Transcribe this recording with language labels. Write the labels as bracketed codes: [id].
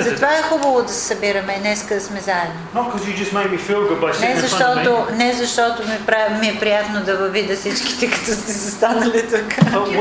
[bg] Затова е хубаво да се събираме днес, да сме заедно. [en] Not because you just make me feel good by sitting in front of me. [bg] Не защото ми е приятно да ви видя всичките, като сте застанали тук.